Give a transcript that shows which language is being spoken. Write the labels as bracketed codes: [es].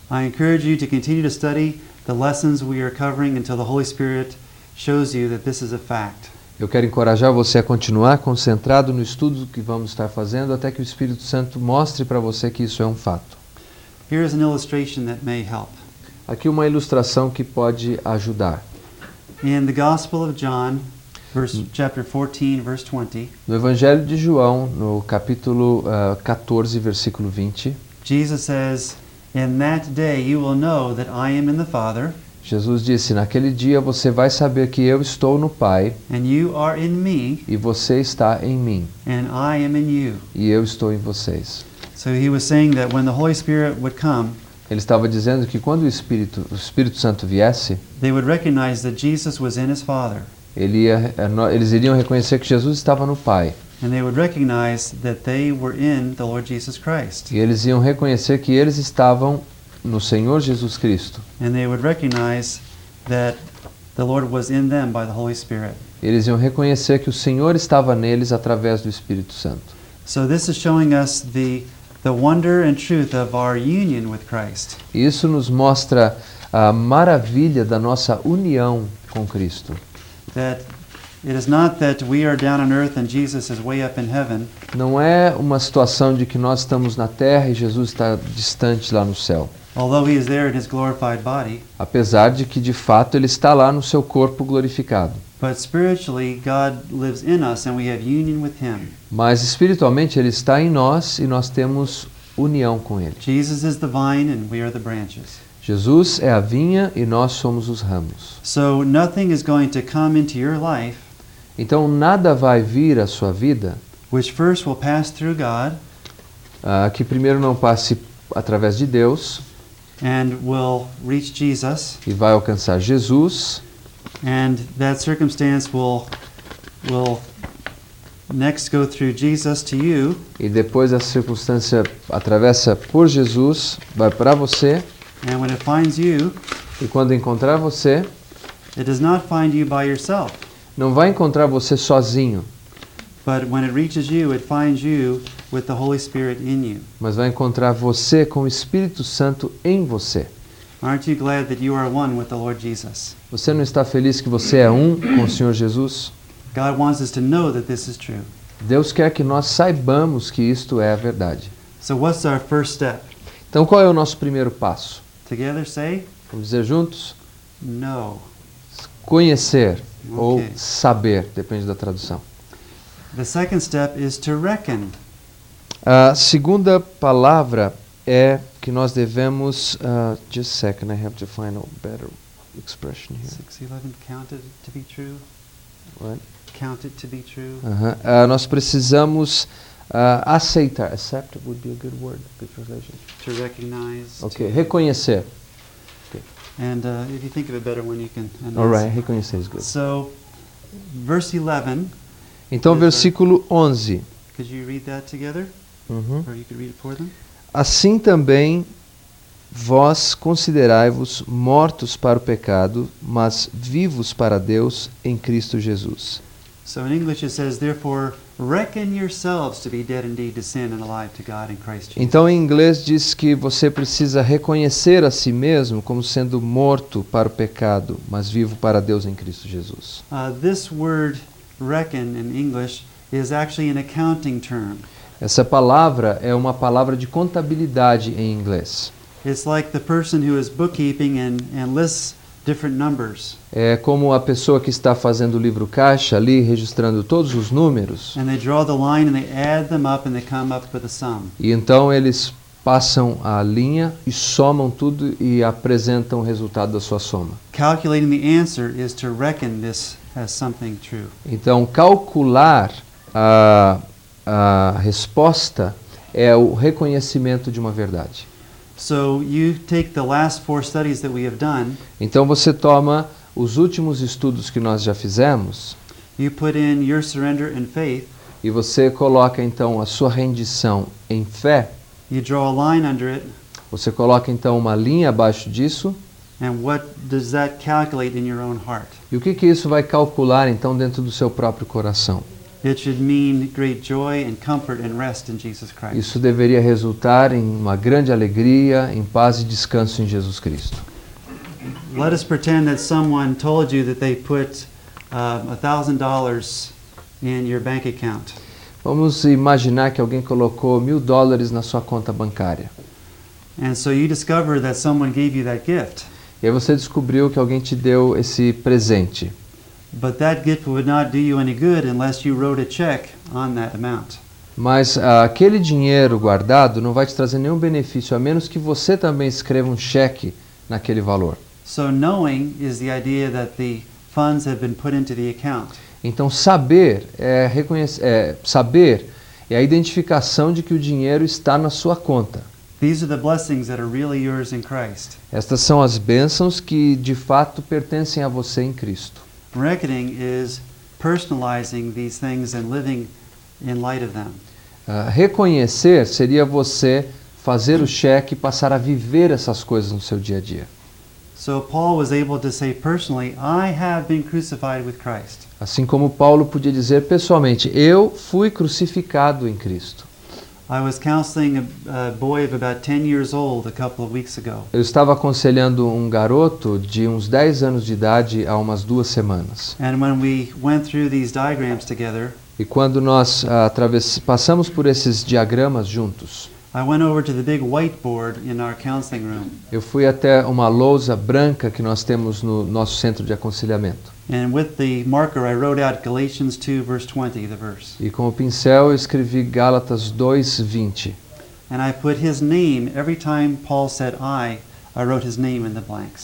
[en] I encourage you to continue to study the lessons we are covering until the Holy Spirit shows you that this is a fact. [pt] Eu quero encorajar você a continuar concentrado no estudo que vamos estar fazendo até que o Espírito Santo mostre para você que isso é um fato. [en] Here is an illustration that may help. [pt] Aqui uma ilustração que pode ajudar. [en] In the Gospel of John, verse, chapter 14, verse 20, [pt] no Evangelho de João, no capítulo 14, versículo 20, [en] Jesus says, "In that day you will know that I am in the Father." [pt] Jesus disse, naquele dia você vai saber que eu estou no Pai. [en] And you are in me, [pt] e você está em mim. [en] And I am in you. [pt] E eu estou em vocês. [en] So he was saying that when the Holy Spirit would come, [pt] ele estava dizendo que quando o Espírito Santo viesse, [en] they would recognize that Jesus was in his Father. [pt] Eles iriam reconhecer que Jesus estava no Pai. [en] And they would recognize that they were in the Lord Jesus Christ. [pt] E eles iam reconhecer que eles estavam no Senhor Jesus Cristo. [en] And they would recognize that the Lord was in them by the Holy Spirit. [pt] Eles iam reconhecer que o Senhor estava neles através do Espírito Santo. [en] So this is showing us the wonder and truth of our union with Christ. [pt] Isso nos mostra a maravilha da nossa união com Cristo. [en] That it is not that we are down on earth and Jesus is way up in heaven. [pt] Não é uma situação de que nós estamos na terra e Jesus está distante lá no céu. [en] Although he is there in his glorified body. [pt] Apesar de que de fato ele está lá no seu corpo glorificado. [en] But spiritually God lives in us and we have union with him. [pt] Mas espiritualmente ele está em nós e nós temos união com ele. [en] Jesus is the vine and we are the branches. [pt] Jesus é a vinha e nós somos os ramos. [en] So nothing is going to come into your life. [pt] Então nada vai vir à sua vida. [en] Which first will pass through God. [pt] Que primeiro não passe através de Deus. [en] And will reach Jesus. [pt] E vai alcançar Jesus. [en] And that circumstance will next go through Jesus to you. [pt] E depois a circunstância atravessa por Jesus, vai para você. [en] And when it finds you, [pt] e quando encontrar você, [en] It does not find you by yourself. [pt] Não vai encontrar você sozinho. [en] But when it reaches you, it finds you with the Holy Spirit in you. [pt] Mas vai encontrar você com o Espírito Santo em você. [en] Aren't you glad that you are one with the Lord Jesus? [pt] Você não está feliz que você é um com o Senhor Jesus? [en] God wants us to know that this is true. [pt] Deus quer que nós saibamos que isto é a verdade. [en] So what's our first step? [pt] Então qual é o nosso primeiro passo? [en] Together say? [pt] Vamos dizer juntos? [en] No. [pt] Conhecer, okay. Ou saber, depende da tradução. [en] The second step is to reckon. [pt] A segunda palavra é que nós devemos... [en] just a second, I have to find a better expression here. 6:11, count it to be true. What? Count it to be true. [pt] Nós precisamos aceitar. [en] Accept would be a good word. Good translation. To recognize. Okay, to [pt] reconhecer. Okay. [en] And if you think of a better one, you can announce. All right, reconhecer is good. So, verse 11... [pt] Então, versículo 11. [en] Could you read that together? Uhum. Or you could read it for them? [pt] Assim também vós considerai-vos mortos para o pecado, mas vivos para Deus em Cristo Jesus. [en] So in English it says, therefore, reckon yourselves to be dead indeed to sin and alive to God in Christ Jesus. [pt] Então, em inglês diz que você precisa reconhecer a si mesmo como sendo morto para o pecado, mas vivo para Deus em Cristo Jesus. [en] This word reckon in English is actually an accounting term. [pt] Essa palavra é uma palavra de contabilidade em inglês. [en] It's like the person who is bookkeeping and lists different numbers. [pt] É como a pessoa que está fazendo o livro caixa ali registrando todos os números. [en] And they draw the line and they add them up and they come up with a sum. [pt] E então eles passam a linha e somam tudo e apresentam o resultado da sua soma. [en] Calculating the answer is to reckon this as something true. [pt] Então, calcular a resposta é o reconhecimento de uma verdade. [en] So you take the last four studies that we have done. [pt] Então você toma os últimos estudos que nós já fizemos. [en] You put in your surrender and faith. [pt] E você coloca então a sua rendição em fé. [en] You draw a line under it. [pt] Você coloca então uma linha abaixo disso. [en] And what does that calculate in your own heart? [pt] E o que que isso vai calcular então dentro do seu próprio coração? [en] It should mean great joy and comfort and rest in Jesus Christ. [pt] Isso deveria resultar em uma grande alegria, em paz e descanso em Jesus Cristo. [en] Let us pretend that someone told you that they put $1,000 in your bank account. [pt] Vamos imaginar que alguém colocou $1,000 na sua conta bancária. [en] And so you discover that someone gave you that gift. [pt] E aí você descobriu que alguém te deu esse presente. [en] But that gift would not do you any good unless you wrote a check on that amount. [pt] Mas aquele dinheiro guardado não vai te trazer nenhum benefício a menos que você também escreva um cheque naquele valor. [en] So knowing is the idea that the funds have been put into the account. [pt] Então saber é saber é a identificação de que o dinheiro está na sua conta. [en] These are the blessings that are really yours in Christ. [pt] Estas são as bênçãos que de fato pertencem a você em Cristo. [en] Reckoning is personalizing these things and living in light of them. [pt] Reconhecer seria você fazer o cheque e passar a viver essas coisas no seu dia a dia. [en] So Paul was able to say personally, I have been crucified with Christ. [pt] Assim como Paulo podia dizer pessoalmente, eu fui crucificado em Cristo. [en] I was counseling a boy of about 10 years old a couple of weeks ago. [pt] Eu estava aconselhando um garoto de uns 10 anos de idade há umas duas semanas. [en] And when we went through these diagrams together, [pt] e quando nós passamos por esses diagramas juntos, [en] I went over to the big whiteboard in our counseling room. [pt] Eu fui até uma lousa branca que nós temos no nosso centro de aconselhamento. [en] And with the marker I wrote out Galatians 2 verse 20, the verse. [pt] E com o pincel eu escrevi Gálatas 2:20. [en] And I put his name every time Paul said I wrote his name in the blanks.